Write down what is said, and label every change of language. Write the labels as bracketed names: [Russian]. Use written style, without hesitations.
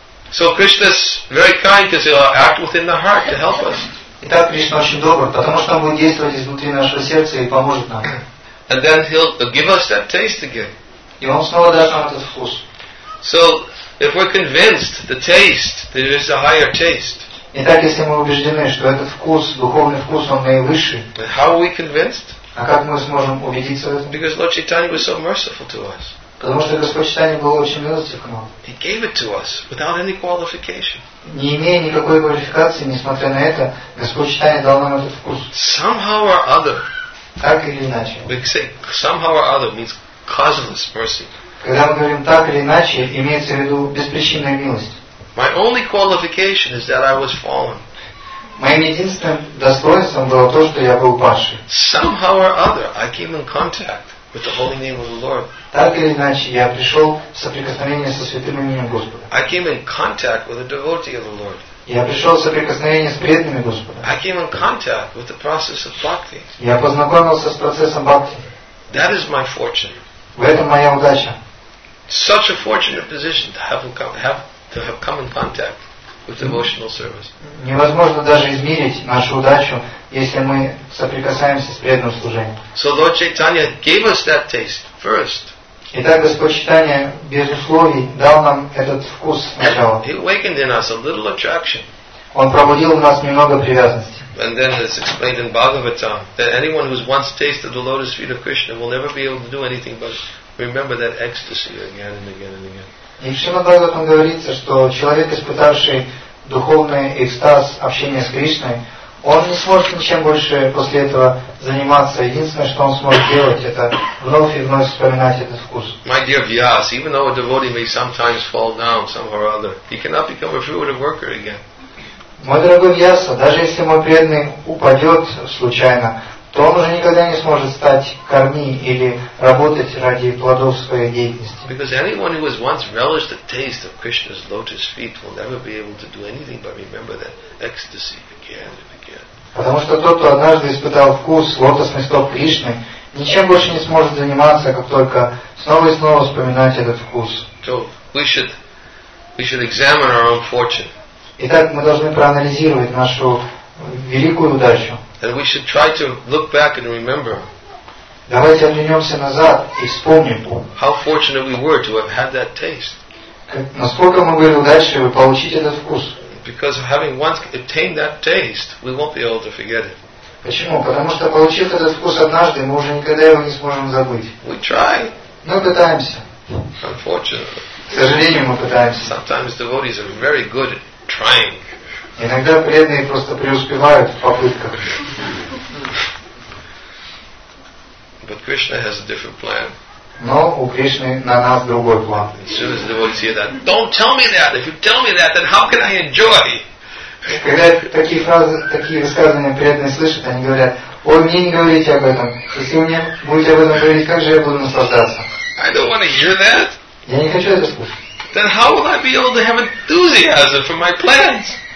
[English] So Krishna is very kind because he'll act within the heart to help us. [Russian] Итак, Кришна очень добр, потому что он будет действовать изнутри нашего сердца и поможет нам. [English] And then he'll give us that taste again. [Russian] И он снова даст нам этот вкус. [English] So If we're convinced the taste, that it is a higher taste. [Russian] Итак, если мы убеждены, что этот вкус, духовный вкус, он наивысший. [English] But how are we convinced? [Russian] А как мы сможем убедиться в этом? [English] Because Lord Chaitanya was so merciful to us. [Russian] Потому что Господь Читание был очень милостив к нам. [English] He gave it to us without any qualification. [Russian] Не имея никакой квалификации, несмотря на это, Господь Читание дал нам этот вкус. [English] Somehow or other. [Russian] Так или иначе. [English] We say somehow or other means causeless mercy. [Russian] Когда мы говорим так или иначе, имеется в виду беспричинная милость. [English] My only qualification is that I was fallen. [Russian] Моим единственным достоинством было то, что я был падший. [English] Somehow or other, I came in contact with the holy name of the Lord. [Russian] Так или иначе, я пришел в соприкосновение со святым именем Господа. [English] I came in contact with the devotee of the Lord. [Russian] Я пришел в соприкосновение с преданными Господа. [English] I came in contact with the process of bhakti. [Russian] Я познакомился с процессом бхакти. [English] That is my fortune. [Russian] В этом моя удача. [English] Such a fortunate position to have come in contact with devotional service. [Russian] Невозможно даже измерить нашу удачу, если мы соприкасаемся с преданным служением. [English] So Lord Chaitanya gave us that taste first. [Russian] Итак, Господь Читания без условий дал нам этот вкус сначала. [English] He awakened in us a little attraction. [Russian] Он пробудил в нас немного привязанности. [English] And then it's explained in Bhagavatam that anyone who's once tasted the lotus feet of Krishna will never be able to do anything but remember that ecstasy again and again and again. [Russian] И в Шримад Бхагаватам говорится, что человек, испытавший духовный экстаз общения с Кришной, он не сможет ничем больше после этого заниматься. Единственное, что он сможет делать, это вновь и вновь вспоминать этот вкус. [English] My dear Vyas, even though a devotee may sometimes fall down somehow or other, he cannot become a fruitive worker again. [Russian] Мой дорогой Вьяса, даже если мой преданный упадет случайно, то он уже никогда не сможет стать корми или работать ради плодов своей деятельности. [English] Because anyone who has once relished the taste of Krishna's lotus feet will never be able to do anything but remember that ecstasy again and again. [Russian] Потому что тот, кто однажды испытал вкус лотосных стоп Кришны, ничем больше не сможет заниматься, как только снова и снова вспоминать этот вкус. [English] So we should examine our own fortune. [Russian] Итак, мы должны проанализировать нашу великую удачу. [English] And we should try to look back and remember. [Russian] Давайте оглянемся назад и вспомним. [English] How fortunate we were to have had that taste. [Russian] Насколько мы были удачливы получить этот вкус. [English] Because of having once obtained that taste, we won't be able to forget it. [Russian] Почему? Потому что получив этот вкус однажды, мы уже никогда его не сможем забыть. [English] We try. [Russian] Мы пытаемся. [English] Unfortunately. [Russian] К сожалению, мы пытаемся. [English] Sometimes devotees are very good at trying. [Russian] Иногда преданные просто преуспевают в попытках. [English] But Krishna has a different plan. [Russian] Но у Кришны на нас другой план. [English] As soon as the devotees hear that, don't tell me that. If you tell me that, then how can I enjoy? [Russian] Когда такие фразы, такие высказывания преданные слышат, они говорят: «Ой, мне не говорите об этом. Если вы мне будете об этом говорить, как же я буду наслаждаться?» [English] I don't want to hear that. [Russian] Я не хочу это слушать. [English] Then how will I be able to have enthusiasm for my plans?